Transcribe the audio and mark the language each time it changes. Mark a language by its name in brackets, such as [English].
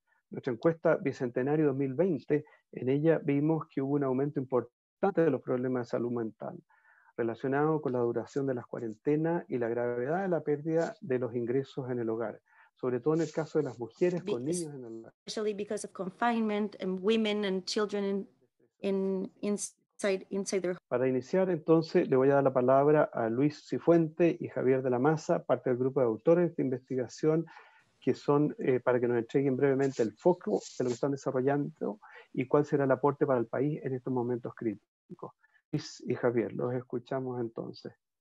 [Spanish] Nuestra encuesta Bicentenario 2020, en ella vimos que hubo un aumento importante de los problemas de salud mental, relacionado con la duración de las cuarentenas y la gravedad de la pérdida de los ingresos en el hogar, sobre todo en el caso de las mujeres con niños en el hogar. [English] Especially because of confinement and women and children inside their... [Spanish] Para iniciar, entonces, le voy a dar la palabra a Luis Cifuente y Javier de la Maza, parte del grupo de autores de investigación, que son para que nos entreguen brevemente el foco de lo que están desarrollando y cuál será el aporte para el país en estos momentos críticos. Luis y Javier, los escuchamos entonces.